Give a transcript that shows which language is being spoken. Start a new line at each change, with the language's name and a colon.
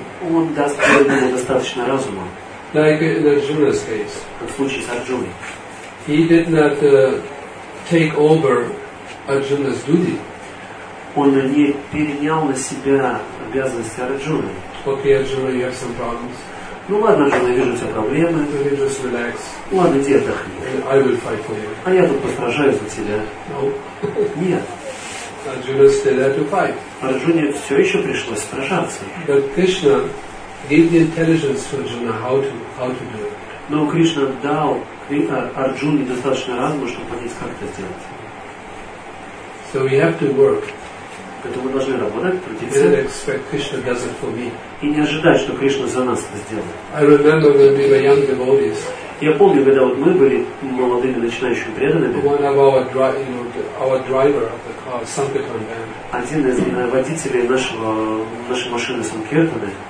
Russian: Он даст преданному достаточно разума.
English: Like in Arjuna's case.
Russian: Как в случае с Арджуной.
English: He did not take over Arjuna's duty.
Russian: Он не перенял на себя обязанности Арджуны.
English: Okay, Arjuna, you have some problems.
Russian: Ну ладно, Арджуна, вижу все проблемы.
English: So you just relax.
Russian: Ладно, иди отдохни.
English: I will fight for you.
Russian: А я тут постражаю за тебя.
English: No.
Russian: Нет.
English: Arjuna still had to fight.
Russian: Арджуне все еще пришлось сражаться.
English: But Krishna gave the intelligence to Arjuna how to do it.
Russian: Но Кришна дал Арджуне достаточно разума, чтобы понять, как это сделать.
English: So we have to work.
Russian: это мы должны работать, трудиться.
English: Didn't expect Krishna does it for me.
Russian: И не ожидать, что Кришна за нас это сделает.
English: I remember when we were young devotees.
Russian: Я помню, когда вот мы были молодыми начинающими преданными.
English: One of our driver of the car, Sankirtan van.
Russian: Один из водителей нашей машины Санкиртаны.